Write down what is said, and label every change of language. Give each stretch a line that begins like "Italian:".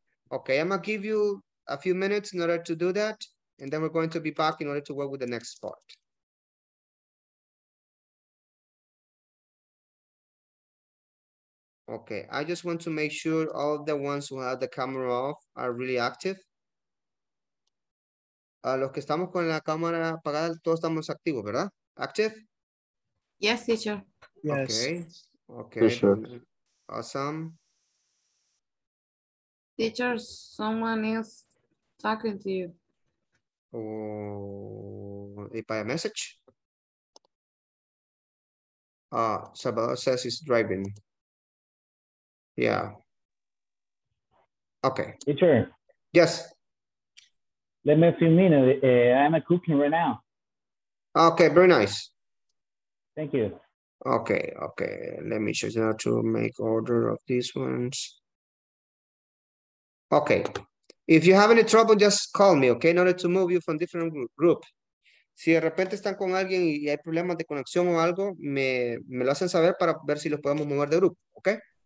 English: Okay, I'm gonna give you a few minutes in order to do that, and then we're going to be back in order to work with the next part. Okay, I just want to make sure all of the ones who have the camera off are really active.
Spanish: Los que estamos con la cámara apagada, todos estamos activos, ¿verdad?
English: Active? Yes, teacher. Okay. Yes. Okay. Sure. Awesome. Teacher, someone is talking to you. Oh, by a message? Ah, Salvador says he's driving. Yeah. Okay. Teacher. Yes. Let me a few minutes. I'm a cooking right now. Okay, very nice. Thank you. Okay, okay. Let me show you how to make order of these ones. Okay, if you have any trouble, just call me, okay, in order to move you from different group.
Spanish: Si de repente están con alguien y hay problemas de conexión o algo, me lo hacen saber para ver si los podemos mover de grupo, okay?